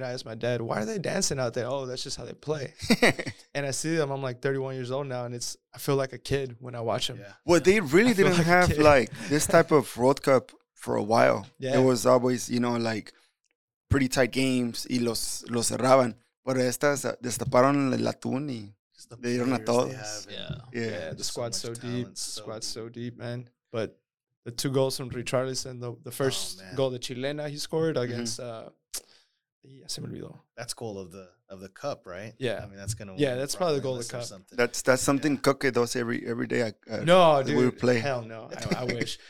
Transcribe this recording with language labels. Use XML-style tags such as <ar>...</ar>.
<en>I asked my dad, why are they dancing out there? Oh, that's just how they play. And I see them. I'm like 31 years old now, and I feel like a kid when I watch them. Yeah. Well, they really didn't have, this type of World Cup for a while. Yeah. It was always, you know, like, pretty tight games.</en> <es>Y los cerraban. Pero estas destaparon el latún y le dieron a todos.</es> <en>Yeah. The squad's so deep. The squad's so deep, man. But the two goals from Richarlison, the first goal, the Chilena he scored against</en> <es>Yeah, se me olvidó.</es> <en>That's goal of the cup, right? Yeah, I mean that's gonna. Yeah, that's probably the goal of the cup. Something. That's something Coque does every day. No, dude, we play. Hell no, I wish.</en>